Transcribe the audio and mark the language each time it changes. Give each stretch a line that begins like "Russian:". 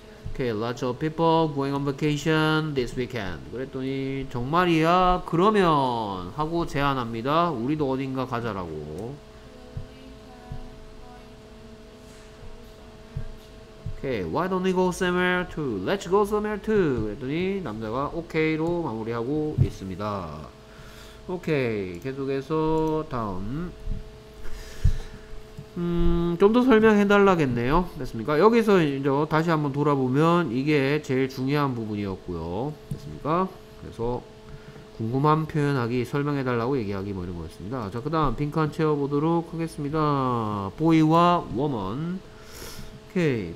English: Okay, lots of people going on vacation this weekend.
Korean: 그랬더니 정말이야? 그러면 하고 제안합니다. 우리도 어딘가 가자라고.
English: 오케이, okay, why don't we go somewhere to? Let's go somewhere to.
Korean: 그랬더니 남자가 OK로 마무리하고 있습니다. 오케이 계속해서 다음 좀 더 설명해 달라겠네요 됐습니까 여기서 이제 다시 한번 돌아보면 이게 제일 중요한 부분이었고요 됐습니까 그래서 궁금한 표현하기 설명해 달라고 얘기하기 뭐 이런 거였습니다 자 그 다음 빈칸 채워보도록 하겠습니다 boy와 woman 오케이.